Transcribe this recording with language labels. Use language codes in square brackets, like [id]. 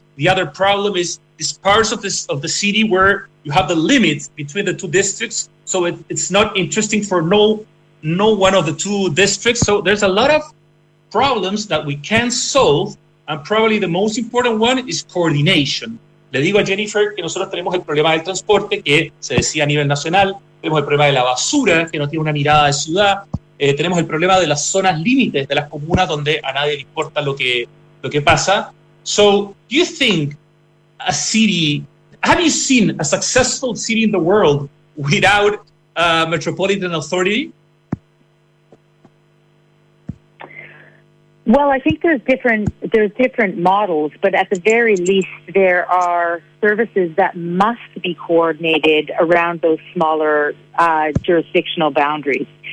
[en] The other problem is these parts of the city where you have the limits between the two districts. So it's not interesting for no one of the two districts. So there's a lot of problems that we can solve. And probably the most important one is coordination. [es] Le digo a Jennifer que nosotros tenemos el problema del transporte, que se decía a nivel nacional, tenemos el problema de la basura, que no tiene una mirada de ciudad, tenemos el problema de las zonas límites de las comunas donde a nadie le importa lo que pasa. [en] So, do you think a city, have you seen a successful city in the world without a metropolitan authority? Well, I think there's different models, but at the very least, there are services that must be coordinated around those smaller jurisdictional boundaries.